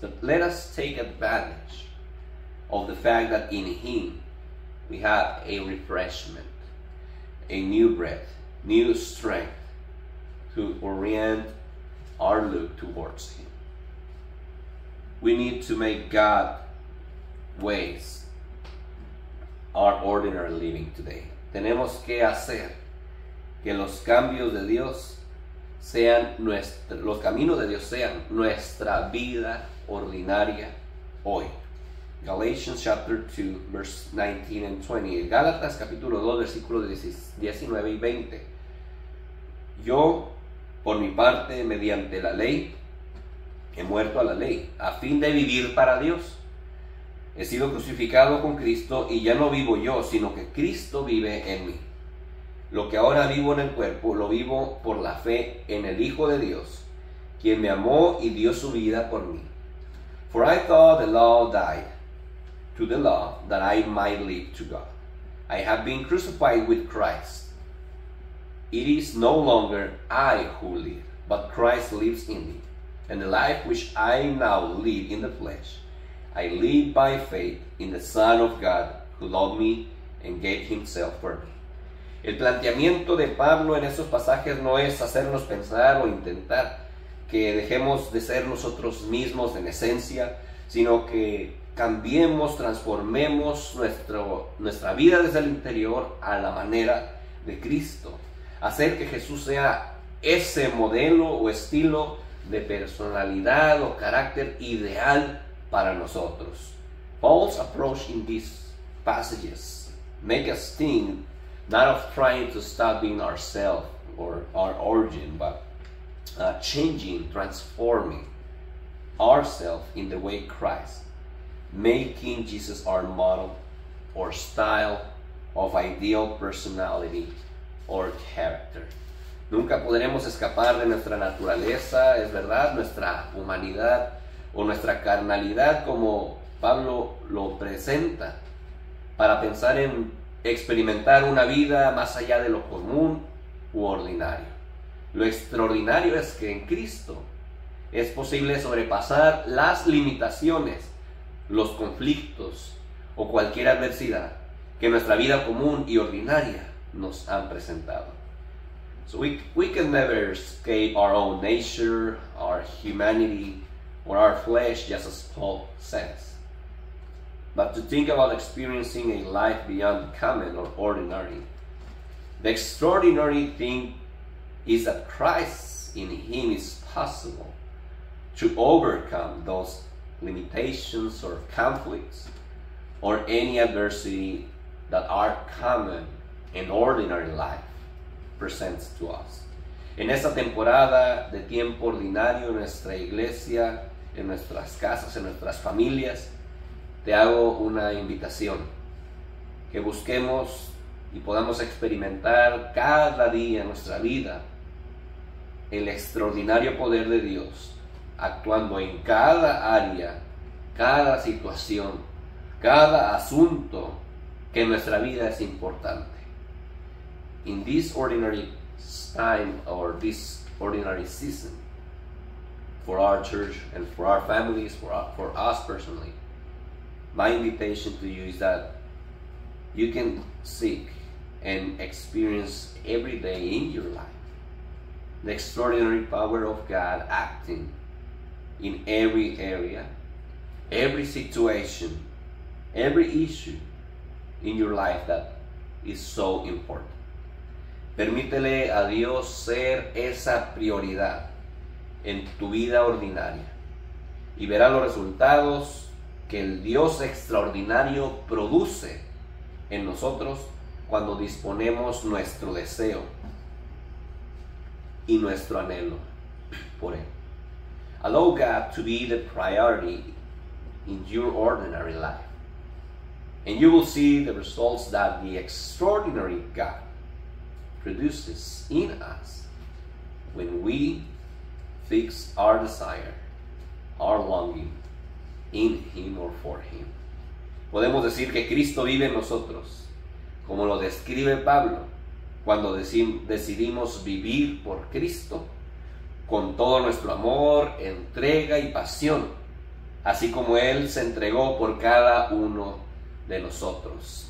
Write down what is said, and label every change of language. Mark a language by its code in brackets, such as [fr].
[en] But let us take advantage of the fact that in Him we have a refreshment, a new breath, new strength to orient our look towards Him. We need to make God ways our ordinary living today. [es] Tenemos que hacer que los cambios de Dios sean nuestro, los caminos de Dios sean nuestra vida ordinaria hoy. [en] Galatians chapter 2, verse 19 and 20. [es] Gálatas capítulo 2, versículo 19 y 20. Yo, por mi parte, mediante la ley, he muerto a la ley, a fin de vivir para Dios. He sido crucificado con Cristo y ya no vivo yo, sino que Cristo vive en mí. Lo que ahora vivo en el cuerpo, lo vivo por la fe en el Hijo de Dios, quien me amó y dio su vida por mí. [en] For I thought the law died to the law that I might live to God. I have been crucified with Christ. It is no longer I who live, but Christ lives in me. And the life which I now live in the flesh, I live by faith in the Son of God who loved me and gave himself for me. [es] El planteamiento de Pablo en esos pasajes no es hacernos pensar o intentar que dejemos de ser nosotros mismos en esencia, sino que cambiemos, transformemos nuestra vida desde el interior a la manera de Cristo. Hacer que Jesús sea ese modelo o estilo de personalidad o carácter ideal para nosotros. [en] Paul's approach in these passages make us think not of trying to stop being ourselves or our origin, but changing, transforming ourselves in the way Christ, making Jesus our model or style of ideal personality or character. [es] Nunca podremos escapar de nuestra naturaleza, es verdad, nuestra humanidad o nuestra carnalidad, como Pablo lo presenta, para pensar en experimentar una vida más allá de lo común u ordinario. Lo extraordinario es que en Cristo es posible sobrepasar las limitaciones, los conflictos o cualquier adversidad que nuestra vida común y ordinaria nos han presentado. [en] So we can never escape our own nature, our humanity, or our flesh, just as Paul says. But to think about experiencing a life beyond common or ordinary, the extraordinary thing is that Christ in Him is possible to overcome those limitations or conflicts or any adversity that our common and ordinary life presents to us. [es] En esta temporada de tiempo ordinario en nuestra iglesia, en nuestras casas, en nuestras familias, te hago una invitación que busquemos y podamos experimentar cada día en nuestra vida el extraordinario poder de Dios actuando en cada área, cada situación, cada asunto que en nuestra vida es importante. [en] In this ordinary time or this ordinary season, for our church and for our families, for us personally, my invitation to you is that you can seek and experience every day in your life the extraordinary power of God acting in every area, every situation, every issue in your life that is so important. [es] Permítele a Dios ser esa prioridad en tu vida ordinaria y verás los resultados que el Dios extraordinario produce en nosotros cuando disponemos nuestro deseo y nuestro anhelo por él. [en] Allow God to be the priority in your ordinary life, and you will see the results that the extraordinary God produces in us when we fix our desire, our longing in him or for him. [es] Podemos decir que Cristo vive en nosotros, como lo describe Pablo, cuando decidimos vivir por Cristo con todo nuestro amor, entrega y pasión, así como él se entregó por cada uno de nosotros.